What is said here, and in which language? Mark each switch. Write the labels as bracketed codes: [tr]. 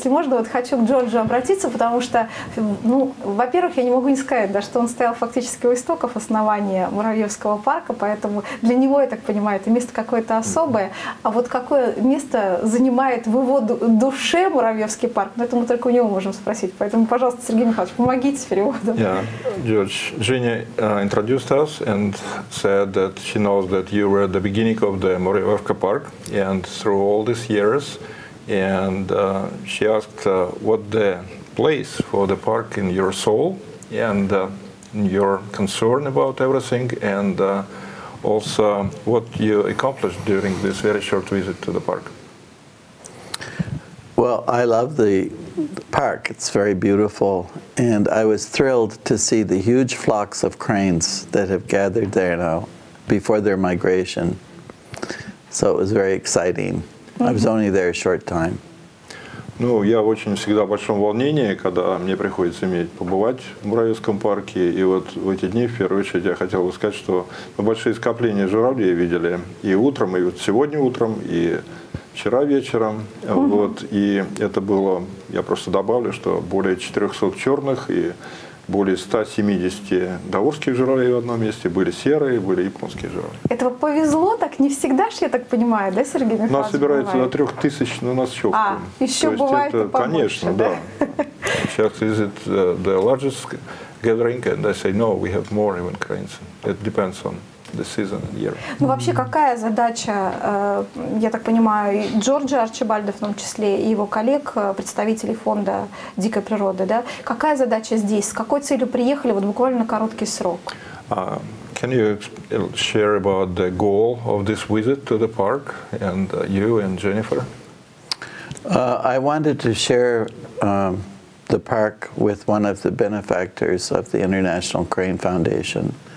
[ru] Если можно, вот хочу к Джорджу обратиться, потому что, ну, во-первых, я не могу не сказать, да, что он стоял фактически у истоков основания Муравьевского парка, поэтому для него, я так понимаю, это место какое-то особое. А вот какое место занимает в его душе Муравьевский парк, ну, это мы только у него можем спросить. Поэтому, пожалуйста, Сергей Михайлович, помогите с переводом. [en] Yeah, George, Женя introduced us and said that she knows that you were at the beginning of the Муравьевка парк, and through all these years, and she asked what the place for the park in your soul and your concern about everything, and also what you accomplished during this very short visit to the park. Well, I love the park. It's very beautiful, and I was thrilled to see the huge flocks of cranes that have gathered there now before their migration. So it was very exciting. I was only there a short time. [ru] Ну, я очень всегда в большом волнении, когда мне приходится иметь побывать в Муравьевском парке. И вот в эти дни, в первую очередь, я хотел бы сказать, что мы большие скопления журавлей видели и утром, и вот сегодня утром, и вчера вечером. Вот, и это было, я просто добавлю, что более 400 черных и более 170 даурских журавлей в одном месте, были серые, были японские журавли. Это повезло так? Не всегда же, я так понимаю, да, Сергей Михайлович? У нас собирается до 3000, но у нас еще. А, еще то бывает это, побольше, конечно, да? Сейчас [en] is it the largest gathering, and I say, no, we have more even cranes. It depends on the season and year. [ru] Ну, вообще, какая задача, я так понимаю, Джорджа Арчибальда в том числе и его коллег, представителей фонда дикой природы, да? Какая задача здесь? С какой целью приехали вот буквально на короткий срок? [en] Can you share about the goal of this visit to the park and you and Jennifer? I wanted to share the park with one of the benefactors of the International Crane Foundation.